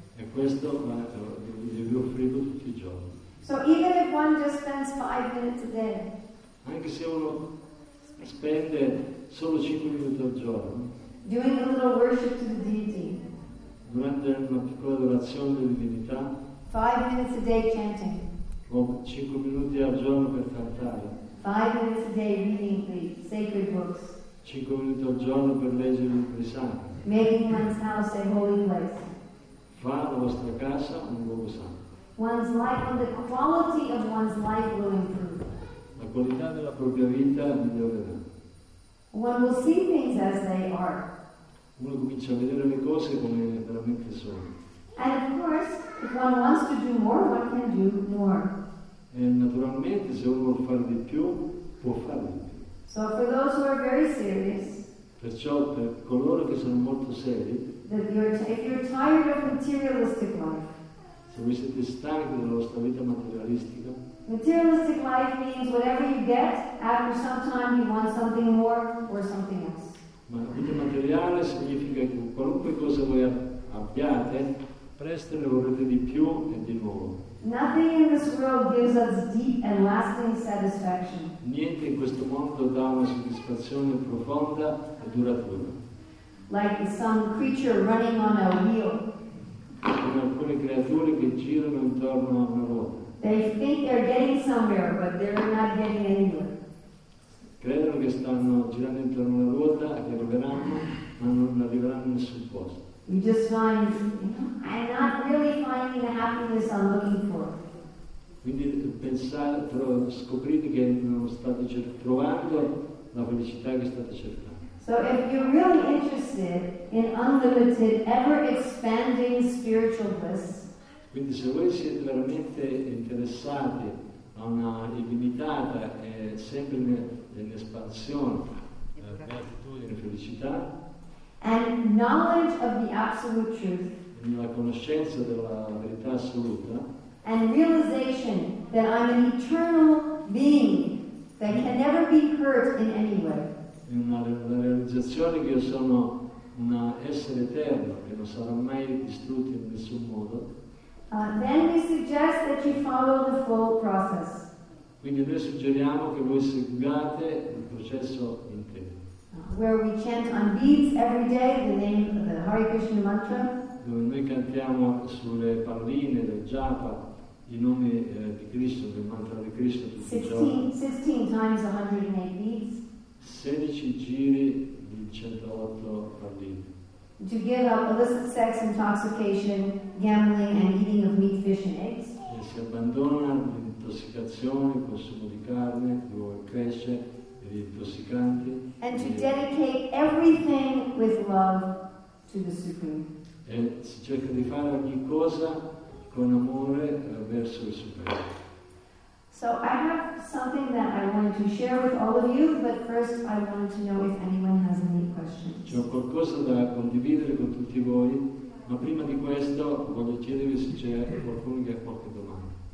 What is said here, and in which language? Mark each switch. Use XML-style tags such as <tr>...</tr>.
<it>E questo vi offrivo tutti i giorni.</it> <en>So even if one just spends 5 minutes a day.</en> <it>Anche se uno spende solo 5 minuti al giorno.</it> <en>Doing a little worship to the deity.</en> <it>Durante una piccola adorazione di divinità,</it> <en>5 minutes a day chanting.</en> <it>O 5 minuti al giorno per cantare.</it> <en>5 minutes a day reading the sacred books.</en> <it>5 minuti al giorno per leggere i libri sacri.</it> <en>Making one's house a holy place.</en> <it>Fa la vostra casa un luogo santo.</it> <en>One's life and the quality of one's life will improve.</en> <it>La qualità della propria vita migliorerà.</it> <en>One will see things as they are.</en> <it>Uno comincia a vedere le cose come veramente sono.</it> <en>And of course, if one wants to do more, one can do more.</en> <it>E naturalmente, se uno vuole fare di più, può fare di più.</it> <en>So for those who are very serious,</en> <it>perciò per coloro che sono molto seri,</it> <en>if you're tired of materialistic life,</en> <it>se voi siete stanchi della vostra vita materialistica,</it> <en>materialistic life means whatever you get, after some time you want something more or something else.</en> <it>Ma la vita materiale significa che qualunque cosa voi abbiate, Prestare vorrete di più e di nuovo.</it> <en>Nothing in this world gives us deep and lasting satisfaction.</en> <it>Niente in questo mondo dà una soddisfazione profonda e duratura.</it> <en>Like some creature running on a wheel.</en> <it>Come alcune creature che girano intorno a una ruota.</it> <en>They think they're getting somewhere, but they're not getting anywhere.</en> <it>Credono che stanno girando intorno alla ruota, che arriveranno, ma non arriveranno in nessun posto.</it> <en>You just find, you know, I'm not really finding the happiness I'm looking for.</en> <it>Quindi scoprite che non state trovando la felicità che state cercando.</it> <en>So if you're really interested in unlimited, ever-expanding spiritual bliss,</en> <it>quindi se voi siete veramente interessati a una illimitata e sempre in espansione, beatitudine e felicità,</it> <en>and knowledge of the absolute truth,</en> <it>la conoscenza della verità assoluta,</it> <en>and realization that I'm an eternal being that can never be hurt in any way,</en> <it>la realizzazione che io sono un essere eterno che non sarà mai distrutto in nessun modo,</it> <en>then we suggest that you follow the full process.</en> <it>Quindi noi suggeriamo che voi seguiate il processo intero.</it> <en>Where we chant on beads every day the name of the Hare Krishna mantra.</en> <it>Dove noi cantiamo sulle palline del japa i nomi di Cristo, del mantra di Cristo tutti i giorni.</it> <en>16 times 108 beads.</en> <it>16 giri di 108 palline.</it> <en>To give up illicit sex, intoxication, gambling, and eating of meat, fish, and eggs.</en> <it>E si abbandona l'intossicazione, il consumo di carne, dove cresce, gli intossicanti.</it> <en>And to dedicate everything with love to the Supreme.</en> <it>E si cerca di fare ogni cosa con amore verso il Supremo.</it> <en>So I have something that I wanted to share with all of you, but first I wanted to know if anyone has any questions.</en> <it>C'è qualcosa da condividere con tutti voi, ma prima di questo voglio chiedervi se c'è qualcuno che ha qualche domanda.</it>